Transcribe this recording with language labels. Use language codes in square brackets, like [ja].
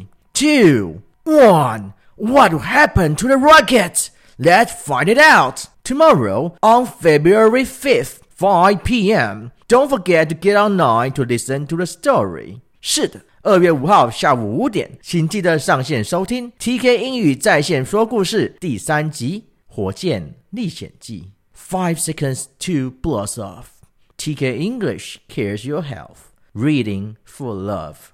[en] 5, 4, 3, 2, 1. What happened to the rocket? Let's find it out. Tomorrow, on February 5th, 5 p.m., don't forget to get online to listen to the story. [zh] 是的，2月5号下午5点，请记得上线收听 TK 英语在线说故事第3集《火箭历险记》。 [en] 5 seconds to blast off. TK English cares your health. Reading for love.